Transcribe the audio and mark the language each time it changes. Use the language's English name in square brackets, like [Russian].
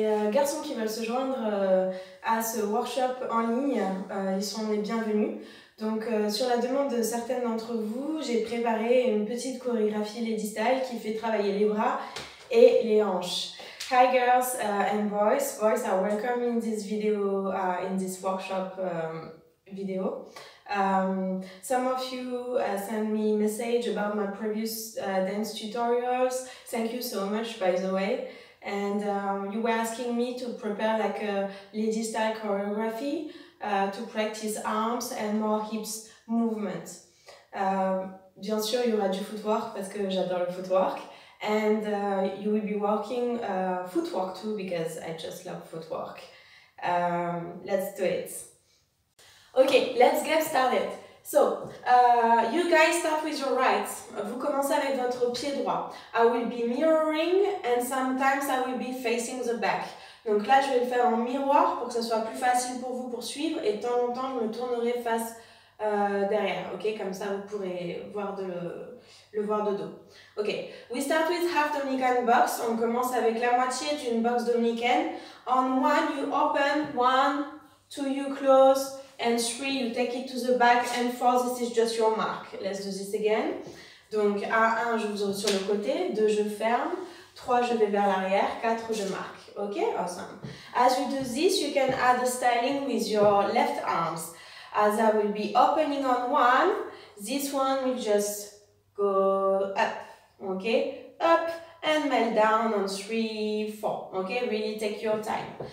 [French] Garçons qui veulent se joindre à ce workshop en ligne, ils sont les bienvenus. Donc, sur la demande de certaines d'entre vous, j'ai préparé une petite chorégraphie Lady Style qui fait travailler les bras et les hanches. [English] Hi girls and boys. Boys are welcome in this video, in this workshop video. Some of you sent me message about my previous dance tutorials. Thank you so much, by the way. And you were asking me to prepare like a lady style choreography to practice arms and more hips movements. [French] Bien sûr, il y aura du footwork parce que j'adore le footwork. [English] And you will be working footwork too because I just love footwork. Let's do it. Okay, let's get started. So, you guys start with your right. [French] Vous commencez avec votre pied droit. [English] I will be mirroring and sometimes I will be facing the back. [French] Donc là, je vais le faire en miroir pour que ce soit plus facile pour vous poursuivre et de temps en temps, je me tournerai face derrière. Ok, comme ça, vous pourrez voir le voir de dos. [English] Ok, we start with half dominican box. [French] On commence avec la moitié d'une box dominicaine. [English] On one, you open. One, two, you close. And three, you take it to the back. And four, this is just your mark. Let's do this again. [French] Donc, à un, je vous ouvre sur le côté. Deux, je ferme. Trois, je vais vers l'arrière. Quatre, je marque. OK? Awesome. [English] As you do this, you can add the styling with your left arms. As I will be opening on one, this one will just go up. OK? Up and melt down on three, four. OK? Really take your time.